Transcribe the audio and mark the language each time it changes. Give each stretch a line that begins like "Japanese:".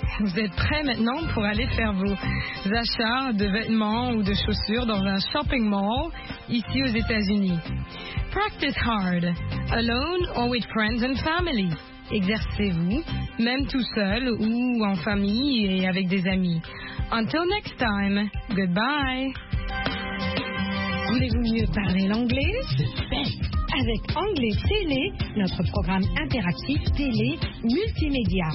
French: Vous êtes prêts maintenant pour aller faire vos achats de vêtements ou de chaussures dans un shopping mall ici aux États-Unis.
English: Practice hard, alone or with friends and family.
French: Exercez-vous, même tout seul ou en famille et avec des amis.
English: Until next time, goodbye.
French: Voulez-vous mieux parler l'anglais? C'est fait. avec Anglais Télé, notre programme interactif télé multimédia.